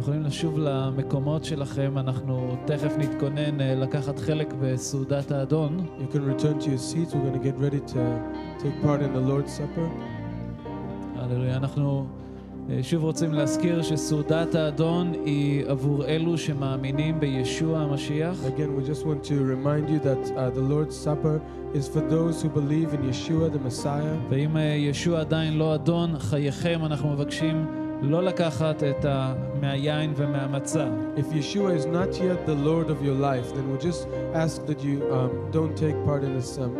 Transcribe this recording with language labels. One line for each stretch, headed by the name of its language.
Hebrew: שוב למקומות שלכם אנחנו תכף נתכונן לקחת חלק בסעודת האדון.
English: You can return to your seats. We're going to get ready to take part in the Lord's Supper.
Hebrew: הללויה. אנחנו שוב רוצים להזכיר שסעודת האדון היא עבור אלו שמאמינים בישוע המשיח.
English: Again, we just want to remind you that the Lord's Supper is for those who believe in Yeshua the Messiah.
Hebrew: ואם ישוע עדיין לא אדון חייכם, אנחנו מבקשים לא לקחת את מהיין ומהמצה.
English: If Yeshua is not yet the Lord of your life, then we'll just ask that you don't take part in this